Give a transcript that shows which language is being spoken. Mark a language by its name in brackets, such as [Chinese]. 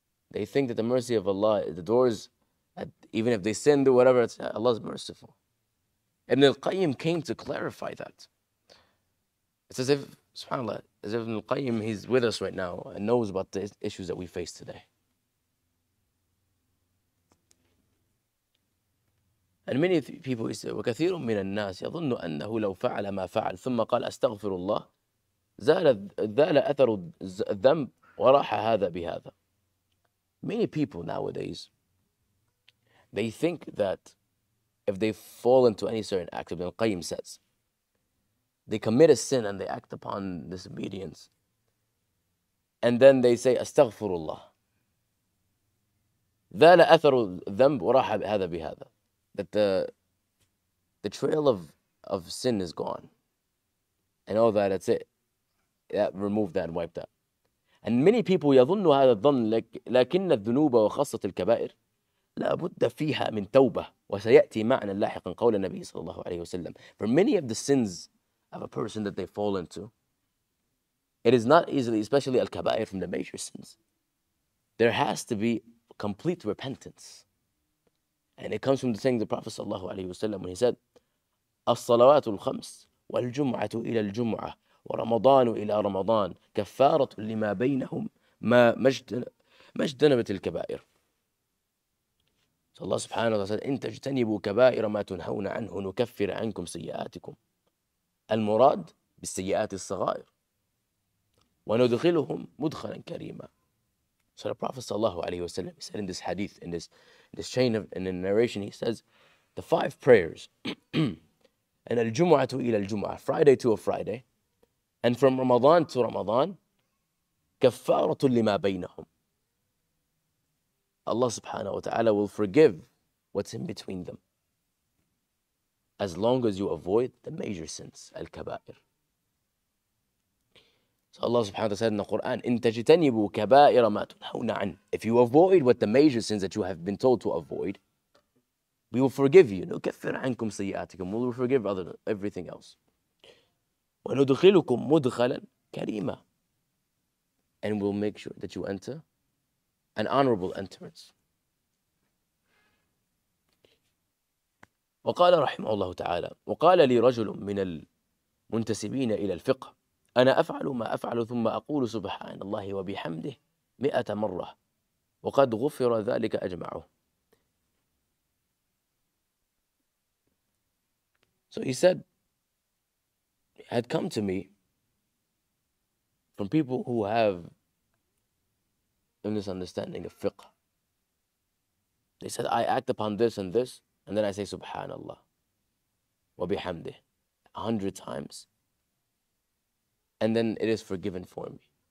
[English] They think that the mercy of Allah, the doors, even if they sin or whatever, it's, Allah is merciful. Ibn al-Qayyim came to clarify that. It's as if, subhanAllah, as if Ibn al-Qayyim, he's with us right now and knows about the issues that we face today. [Arabic] And many people say, وَكَثِيرٌ مِنَ النَّاسِ يَظُنُّ أَنَّهُ لَوْ فَعَلَ مَا فَعَلَ ثُمَّ قَالَ أَسْتَغْفِرُ اللَّهِ ذَالَ أَثَرُ الذَّنْبِ وَرَاحَ هَذَا بِهَذَا. [English] Many people nowadays, they think that if they fall into any certain act, Ibn al-Qayyim says, they commit a sin and they act upon disobedience, and then they say, Astaghfirullah. [Arabic] ذَالَ أَثَرُ الذَّنْبُ وَرَاحَ هَذَا بِهَذَا. [English] That the trail of sin is gone. And all that, that's it. That removed that and wiped that. And many people [Arabic] يظن هذا الظن لكن الذنوب وخاصة الكبائر لا بد فيها من توبة وسيأتي معنا لاحقا قول النبي صلى الله عليه وسلم. [English] For many of the sins of a person that they fall into, it is not easily, especially al-kabair, from the major sins. There has to be complete repentance. And it comes from the saying the Prophet sallallahu alayhi wa sallam, when he said, [Arabic] الصلوات الخمس والجمعة إلى الجمعة ورمضان إلى رمضان كفارة لما بينهم ما اجتنبت الكبائر. [English] So Allah subhanahu wa ta'ala said, [Arabic] إن تجتنبوا كبائر ما تنهون عنه نكفر عنكم سيئاتكم. المراد بالسيئات الصغائر وندخلهم مدخلا كريما. [English] So the Prophet sallallahu alayhi wa sallam said in this hadith, in this chain of, in the narration, he says, the five prayers, and al-jum'ah to ila al-jum'ah, Friday to a Friday, and from Ramadan to Ramadan, [Arabic] kaffaratun lima baynahum. [English] Allah subhanahu wa ta'ala will forgive what's in between them, as long as you avoid the major sins, al-kabair. So Allah subhanahu wa ta'ala said in the Quran, [Arabic] إِن تَجْتَنِبُوا كَبَائِرَ مَا تُنْحَوْنَ عَنْ. [English] If you avoid what the major sins that you have been told to avoid, we will forgive you. [Arabic] نُكَفِّرْ عَنْكُمْ سَيِّئَاتِكُمْ. [English] We will forgive other, everything else. [Arabic] وَنُدْخِلُكُمْ مُدْخَلًا كَرِيمًا. [English] And we'll make sure that you enter an honorable entrance. [Arabic] وقال رحمه الله تعالى وقال لي رجل من المنتسبين إلى الفقه أنا أفعل ما أفعل ثم أقول سبحان الله وبحمده 100 مرة وقد غفر ذلك أجمعه. [English] So he said, it had come to me from people who have a misunderstanding of fiqh. They said, I act upon this and this, and then I say subhanallah wa bihamdih 100 times, and then it is forgiven for me.